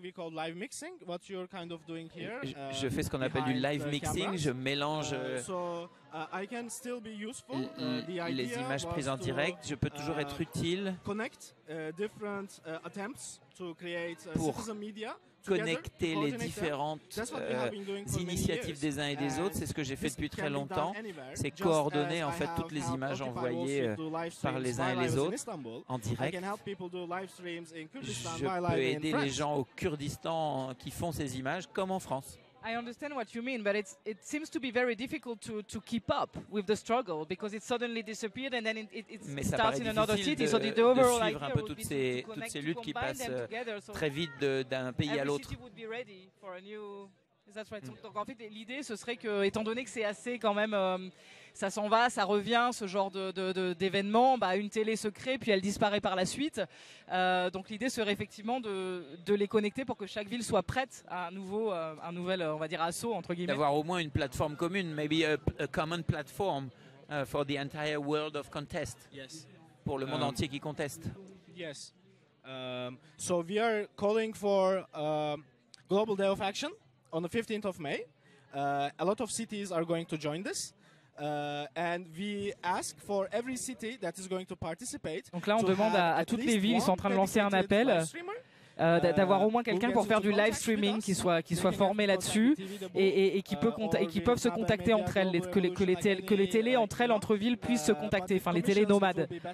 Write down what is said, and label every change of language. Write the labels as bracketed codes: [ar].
[fr] Je fais ce qu'on appelle du live mixing, je mélange les images prises en direct, je peux toujours être utile pour connecter les différentes initiatives des uns et des autres. C'est ce que j'ai fait depuis très longtemps. C'est coordonner en fait toutes les images envoyées par les uns et les autres en direct. Je peux aider les gens au Kurdistan qui font ces images comme en France. [en] I understand what you mean, but it seems to be very difficult to keep up with the struggle because it suddenly disappeared and then it starts in another city. So the overall idea would be to connect, to combine them together. So [fr] très vite d'un pays à l'autre. [en] Every city would be ready for a new. Is that right? [fr] Donc en fait, l'idée ce serait que, étant donné que c'est assez quand même, ça s'en va, ça revient, ce genre de d'événement, bah une télé se crée puis elle disparaît par la suite. Donc l'idée serait effectivement de les connecter pour que chaque ville soit prête à un nouvel, on va dire, assaut entre guillemets. D'avoir au moins une plateforme commune, [en] maybe a common platform for the entire world of contest. Yes. [fr] Pour le monde entier qui conteste. [en] Yes. So we are calling for global day of action on the 15th of May. A lot of cities are going to join this. And we ask for every city that is going to participate. [fr] Donc là, on demande à toutes les villes qui sont en train de lancer un appel d'avoir au moins quelqu'un pour faire du live streaming qui soit formé là-dessus et qui peuvent se contacter entre elles, que les télés entre elles, entre villes, puissent se contacter, enfin les télés nomades.